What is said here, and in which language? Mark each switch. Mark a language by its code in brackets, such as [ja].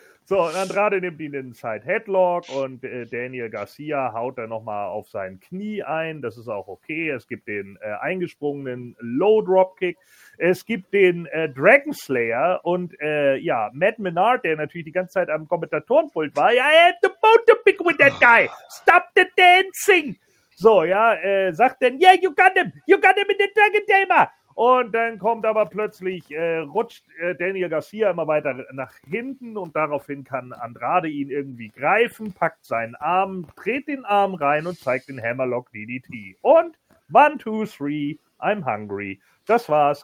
[de] So, und Andrade nimmt ihn in den Side-Headlock und Daniel Garcia haut dann nochmal auf sein Knie ein. Das ist auch okay. Es gibt den eingesprungenen Low-Drop-Kick. Es gibt den Dragon Slayer und ja, Matt Menard, der natürlich die ganze Zeit am Kommentatorenpult war. [en] Yeah, I had the boat to pick with that guy. Stop the dancing. [de] So, ja, sagt dann, [en] yeah, you got him. You got him in the Dragon Tamer. [de] Und dann kommt aber plötzlich, rutscht Daniel Garcia immer weiter nach hinten und daraufhin kann Andrade ihn irgendwie greifen, packt seinen Arm, dreht den Arm rein und zeigt den Hammerlock DDT. Und 1, 2, 3, [en] I'm hungry. [de] Das war's.